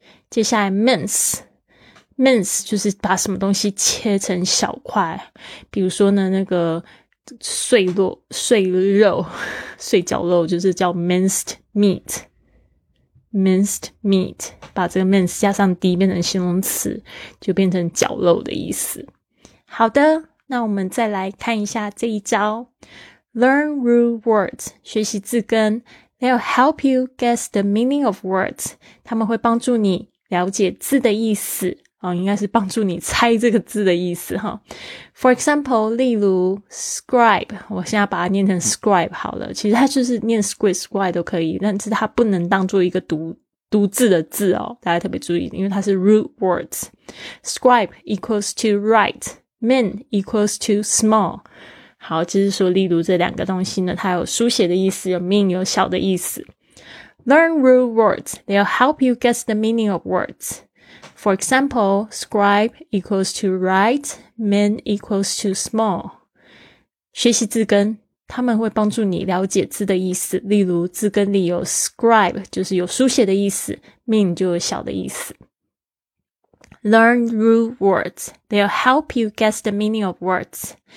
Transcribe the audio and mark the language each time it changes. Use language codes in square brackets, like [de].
[zh] 接下来 mince 就是把什么东西切成小块，比如说呢那个碎角肉就是叫 minced meat, 把这个 mince 加上 d 变成形容词，就变成绞肉的意思。好的，那我们再来看一下这一招 [en] Learn root words, [zh] 学习字根。 [en] They'll help you guess the meaning of words. [zh] 他们会帮助你了解字的意思。哦，应该是帮助你猜这个字的意思哈。 [en] For example, [zh] 例如 scribe, 我现在把它念成 scribe 好了。其实它就是念 scribe 都可以，但是它不能当做一个读字的字哦，大家特别注意，因为它是 root words。 [en] Scribe equals to write, mean equals to small。 [zh] 好，就是说，例如这两个东西呢，它有书写的意思，有 mean 有小的意思。 [en] Learn root words, they'll help you guess the meaning of words. For example, scribe equals to write, man equals to small. [zh] 学习字根，他们会帮助你了解字的意思。例如，字根里有 scribe, 就是有书写的意思， mean 就有小的意思。 [en] Learn root words. They'll help you guess the meaning of words.